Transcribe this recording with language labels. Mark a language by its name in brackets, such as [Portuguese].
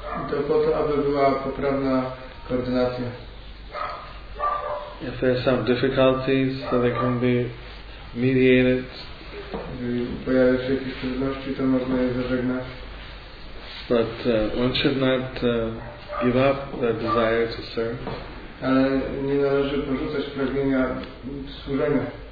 [Polish] To po to, aby była poprawna koordynacja. [English] If there are some difficulties, so they can be mediated. [Polish] Pojawią się jakieś trudności, to można je zażegnać. [English] But one should not give up the desire to serve. [Polish] Ale nie należy porzucać pragnienia służenia.